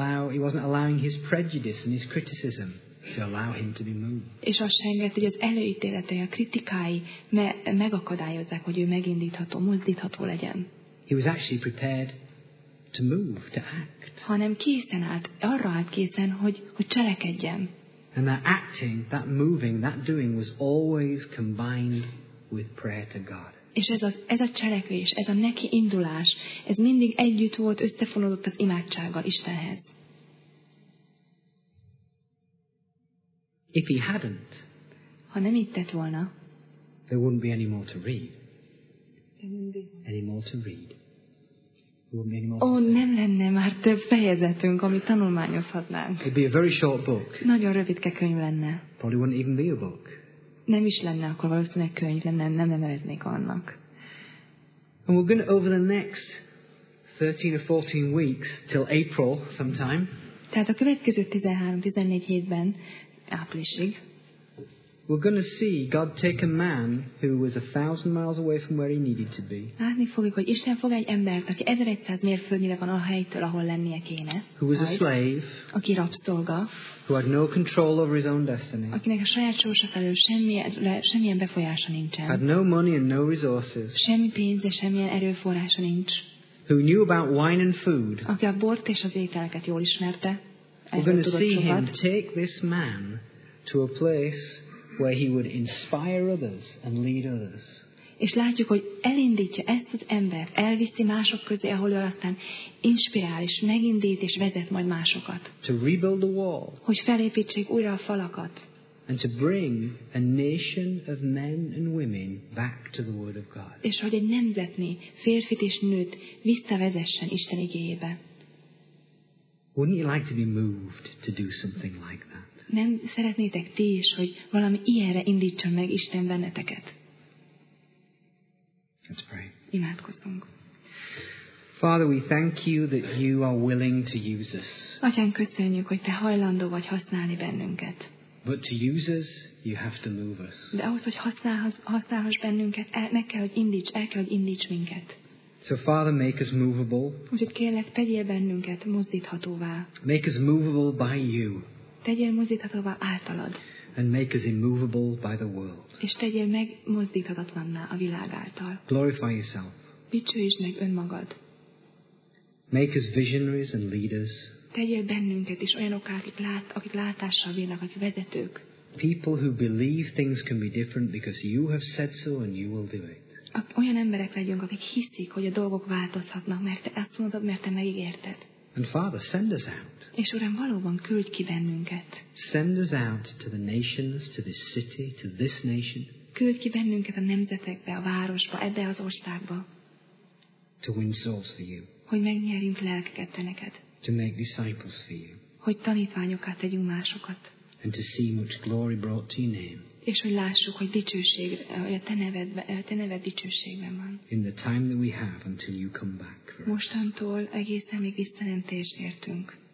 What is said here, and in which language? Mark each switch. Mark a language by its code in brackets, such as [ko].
[en] He wasn't allowing his prejudice and his criticism to allow him to be moved. [hu] És azt sem engedte, hogy az előítéletei, a kritikái megakadályozzák, hogy ő megindítható, mozdítható legyen. [en] He was actually prepared to move, to act. [hu] Hanem készen állt, arra állt készen, hogy cselekedjen. [en] And that acting, that moving, that doing was always combined with prayer to God. [hu] És ez a cselekvés, ez a neki indulás, ez mindig együtt volt, összefonódott az imádsággal Istenhez. [en] If he hadn't, [hu] ha nem itt tett volna, [en] there wouldn't be any more to read. Any more to read. [hu] Nem lenne már több fejezetünk, amit tanulmányozhatnánk. [en] It'd be a very short book. [hu] Nagyon rövidke könyv lenne. [en] Probably wouldn't even be a book. [hu] Nem is lenne, akkor valószínűleg könyv lenne, nem neveznék annak. [en] And we're going to, over the next 13 or 14 weeks, till April sometime. [hu] Tehát a következő 13-14 hétben, áprilisig. [en] We're going to see God take a man who was 1,000 miles away from where he needed to be. [hu] Látni fogjuk, hogy Isten fog egy embert, aki 1100 mérföldnyire van a helytől, ahol lennie kéne. [en] Who was a slave. [hu] Aki rabszolga. [en] Who had no control over his own destiny. [hu] Akinek a saját sorsa felől semmilyen befolyása nincsen. [en] Had no money and no resources. [hu] Semmi pénze, semmilyen erőforrása nincs. [en] Who knew about wine and food. [hu] Aki a bort és az ételeket jól ismerte. [en] We're going to see him take this man to a place where he would inspire others and lead others. [hu] És látjuk, hogy elindítja ezt az embert, elviszi mások közé, ahol ő aztán inspirál és megindít és vezet majd másokat. [en] To rebuild the wall. [hu] Hogy felépítsék újra a falakat. [en] And to bring a nation of men and women back to the word of God. [hu] És hogy egy nemzetnyi férfit és nőt visszavezessen Isten igéjébe. [en] Wouldn't you like to be moved to do something like that? [hu] Nem szeretnétek ti is, hogy valami ilyenre indítson meg Isten benneteket? [en] Let's pray. [hu] Imádkozzunk. [en] Father, we thank you that you are willing to use us. [hu] Atyán, köszönjük, hogy te hajlandó vagy használni bennünket. [en] But to use us, you have to move us. [hu] De ahhoz, hogy használhass bennünket, el kell, hogy indíts minket. [en] So Father, make us movable. [hu] Úgyhogy kérlek, tegyél bennünket mozdíthatóvá. [en] Make us movable by you. [hu] Tegyél mozdíthatóvá általad. [en] And make us immovable by the world. [hu] És tegyél meg mozdíthatatlanná a világ által. [en] Glorify yourself. [hu] Dicsőítsd meg önmagad. [en] Make us visionaries and leaders. [hu] Tegyél bennünket is olyanok, akik látással bírnak, az vezetők. [en] People who believe things can be different because you have said so and you will do it. [hu] Olyan emberek legyünk, akik hiszik, hogy a dolgok változhatnak, mert te ezt mondod, mert te megígérted. [en] And Father, send us out. [hu] És Uram, valóban küldj ki bennünket. [en] Send us out to the nations, to this city, to this nation. [hu] Küldj ki bennünket a nemzetekbe, a városba, ebbe az országba. [en] To win souls for you. [hu] Hogy megnyerjünk lelkeket te neked. [en] To make disciples for you. [hu] Hogy tanítványokat tegyünk másokat. [en] And to see much glory brought to your name. [hu] És hogy lássuk, hogy dicsőség, hogy a te neved dicsőségben van. [en] In the time that we have until you come back. [hu] Mostantól egészen még vissza nem értünk.